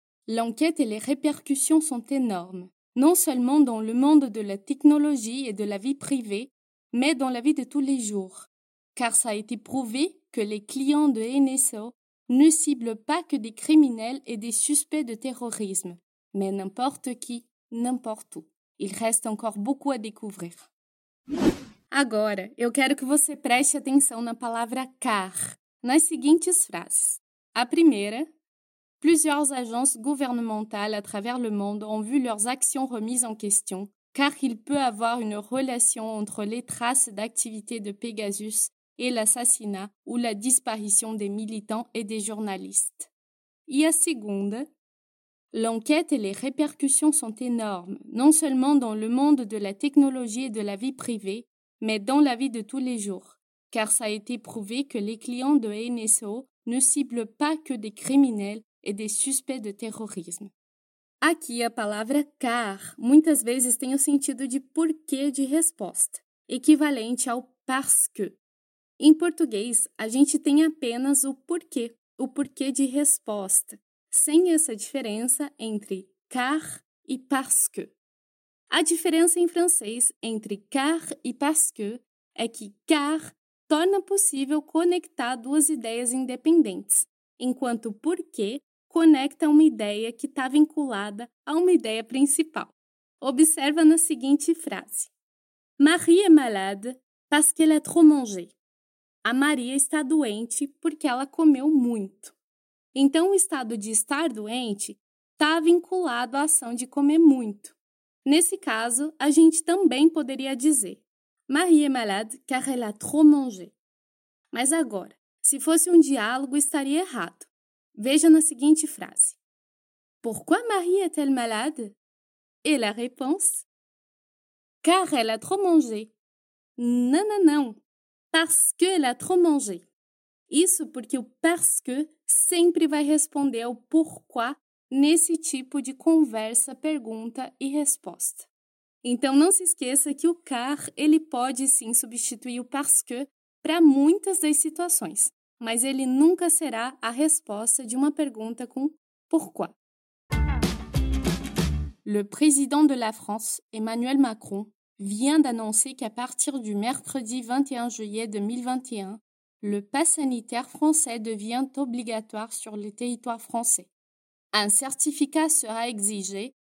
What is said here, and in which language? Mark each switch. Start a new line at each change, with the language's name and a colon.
French: L'enquête et les répercussions sont énormes, non seulement dans le monde de la technologie et de la vie privée, mais dans la vie de tous les jours. Car ça a été prouvé que les clients de NSO ne ciblent pas que des criminels et des suspects de terrorisme, mais n'importe qui, n'importe où. Il reste encore beaucoup à découvrir.
Portuguese: Agora, eu quero que você preste atenção na palavra CAR, nas seguintes frases. A primeira,
French: plusieurs agences gouvernementales à travers le monde ont vu leurs actions remises en question, car il peut avoir une relation entre les traces d'activité de Pegasus et l'assassinat ou la disparition des militants et des journalistes. Et
Portuguese: a segunda,
French: l'enquête et les répercussions sont énormes, non seulement dans le monde de la technologie et de la vie privée, mais dans la vie de tous les jours, car ça a été prouvé que les clients de NSO ne ciblent pas que des criminels et des suspects de terrorisme.
Portuguese: Aqui a palavra car, muitas vezes tem o sentido de porquê de resposta, equivalente ao parce que. Em português, a gente tem apenas o porquê de resposta, sem essa diferença entre car e parce que. A diferença em francês entre car e parce que é que car torna possível conectar duas ideias independentes, enquanto porquê conecta uma ideia que está vinculada a uma ideia principal. Observa na seguinte frase.
French: Marie est malade parce qu'elle a trop mangé.
Portuguese: A Maria está doente porque ela comeu muito. Então, o estado de estar doente está vinculado à ação de comer muito. Nesse caso, a gente também poderia dizer
French: Marie est malade car elle a trop mangé.
Portuguese: Mas agora, se fosse um diálogo, estaria errado. Veja na seguinte frase.
French: Pourquoi Marie est-elle malade? Et la réponse? Car elle a trop mangé. Non, non, non. Parce qu'elle a trop mangé.
Portuguese: Isso porque o parce que sempre vai responder ao pourquoi nesse tipo de conversa, pergunta e resposta. Então, não se esqueça que o car, ele pode sim substituir o parce que para muitas das situações, mas ele nunca será a resposta de uma pergunta com pourquoi.
French: Le président de la France, Emmanuel Macron, vient d'annoncer qu'à partir du mercredi 21 juillet 2021, le pass sanitaire français devient obligatoire sur le territoire français. Un certificat sera exigé